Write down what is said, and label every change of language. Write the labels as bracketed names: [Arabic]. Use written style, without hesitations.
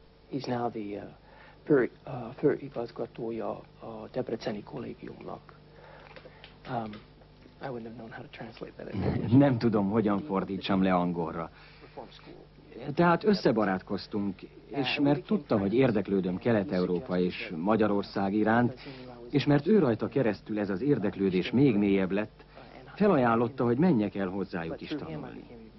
[English] He's now the [Hungarian] főigazgatója a Debreceni kollégiumnak. [English] I wouldn't have known how to translate that. [Hungarian] Nem tudom, hogyan fordítsam le angolra. Tehát összebarátkoztunk, és mert tudta, hogy érdeklődöm Kelet-Európa és Magyarország iránt, és mert ő rajta keresztül ez az érdeklődés még mélyebb lett, felajánlotta, hogy menjek el hozzájuk is tanulni.